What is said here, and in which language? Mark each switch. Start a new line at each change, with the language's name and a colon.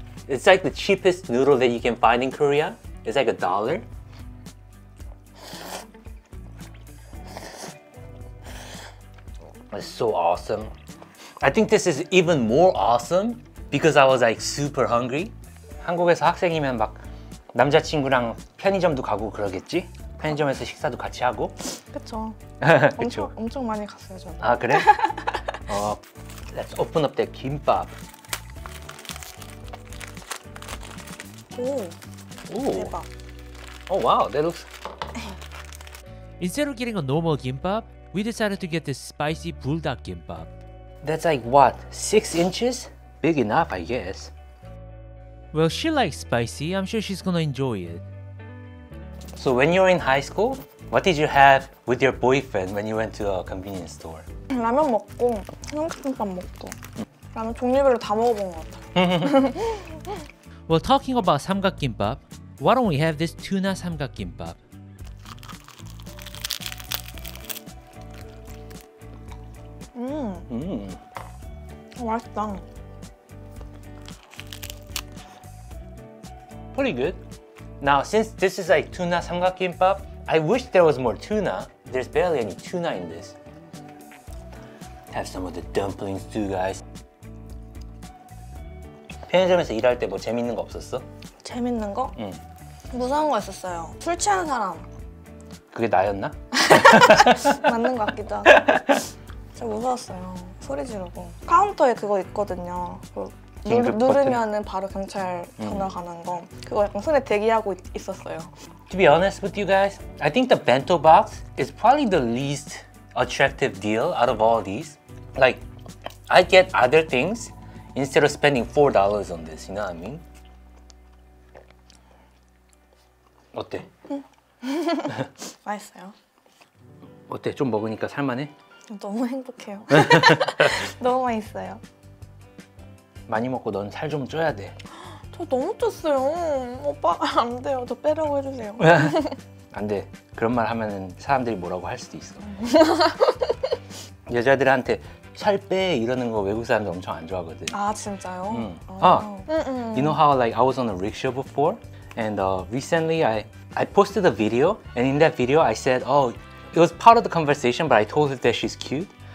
English: It's like the cheapest noodle that you can find in Korea. It's like a dollar. It's so awesome. I think this is even more awesome because I was like super hungry.
Korean: 한국에서 학생이면 막 남자친구랑 편의점도 가고 그러겠지? 편의점에서 식사도 같이 하고? 그쵸. 엄청 많이 갔어요, 저는. 아, 그래?
English: let's open up the 김밥.
Korean: 오, 오. 대박.
English: Oh, wow, that looks... Instead of getting a normal gimbap, we decided to get this spicy bulldog gimbap. That's like what, 6 inches? Big enough, I guess. Well, she likes spicy. I'm sure she's gonna enjoy it. So when you were in high school, what did you have with your boyfriend when you went to a convenience store?
Korean: 라면 먹고, 삼겹살 먹고. 라면 종류별로 다 먹어본 것 같아.
English: Well, talking about 삼각김밥, why don't we have this tuna 삼각김밥?
Korean: Mmm. Mmm. 맛있다.
English: Pretty good. Now, since this is like tuna 삼각김밥, I wish there was more tuna. There's barely any tuna in this. Have some of the dumplings too, guys.
Korean: 편의점에서 일할 때 뭐 재밌는 거 없었어? 재밌는 거? 응. 무서운 거 있었어요. 술 취한 사람. 그게 나였나? 맞는 것 같기도 하고. 진짜 무서웠어요. 소리 지르고. 카운터에 그거 있거든요. 누르면은 바로 경찰 전화 가는 거. 그거 약간 손에 대기하고 있었어요.
English: To be honest with you guys, I think the bento box is probably the least attractive deal out of all these. Like, I get other things instead of spending $4 on this, you know what I mean?
Korean: 어때? 맛있어요. 어때? 좀 먹으니까 살만해? 너무 행복해요. 너무 맛있어요. 많이 먹고 넌 살 좀 쪄야 돼. 저 너무 쪘어요. 오빠 안 돼요. 저 빼라고 해주세요. 안 돼. 그런 말 하면은 사람들이 뭐라고 할 수도 있어. 여자들한테 살 빼 이러는 거 외국 사람들 엄청 안 좋아하거든. 아 진짜요? 응. 아.
English: You know how like I was on a rickshaw before, and recently I posted a video, and in that video I said, oh. It was part of the conversation, but I told her that she's cute.